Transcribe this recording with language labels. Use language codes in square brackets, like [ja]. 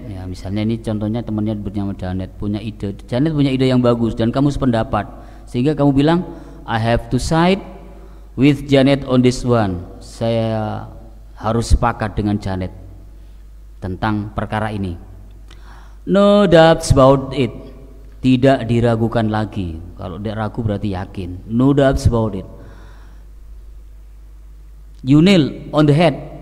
[id] Ya, misalnya ini contohnya temannya bernama Janet, punya ide. Janet punya ide yang bagus dan kamu sependapat. Sehingga kamu bilang, [en] I have to side with Janet on this one. [id] Saya harus sepakat dengan Janet tentang perkara ini. [en] No doubts about it. [id] Tidak diragukan lagi. Kalau tidak ragu berarti yakin. [en] No doubts about it. You nail on the head.